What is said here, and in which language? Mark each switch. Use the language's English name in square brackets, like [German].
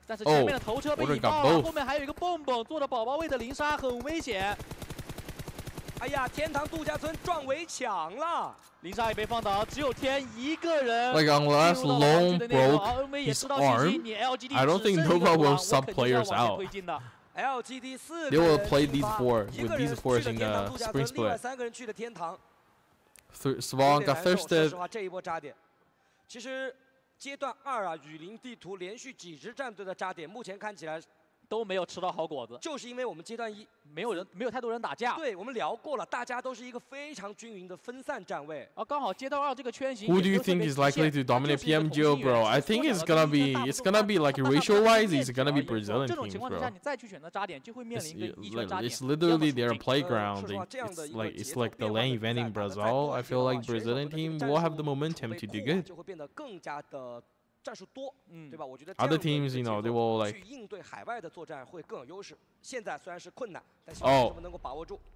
[Chinese] 但是前面的头车被引爆了，后面还有一个蹦蹦坐着宝宝位的林莎，很危险。哎呀，天堂度假村撞围墙了，林莎也被放倒，只有天一个人。 [English] Like unless Long broke his arm, I don't think Nova will sub players out. [Chinese] LGD 四 [English] They will play these four with these four in the spring split. [Chinese] 另外三个人去的天堂。 [English] Swan got thirsted. [Chinese] 说实话，这一波扎点，其实阶段二啊，雨林地图连续几支战队的扎点，目前看起来。都没有吃到好果子，就是因为我们阶段一没有人，没有太多人打架。对，我们聊过了，大家都是一个非常均匀的分散站位。啊，刚好阶段二这个圈型。 [English] Who do you think is likely to dominate PMGO, bro? I think it's gonna be like racial wise, it's gonna be Brazilian teams, bro. [Chinese] 这种情况之下，你再去选择扎点，就会面临一个一圈扎点。 [English] It's literally their playground. It's like the LAN event in Brazil. I feel like Brazilian team will have the momentum to do good. [Chinese] 就会变得更加的。战术多，对吧？我觉得 [English] other teams, you know, they will like [Chinese] 去应对海外的作战会更有优势。现在虽然是困难，但希望他们能够把握住。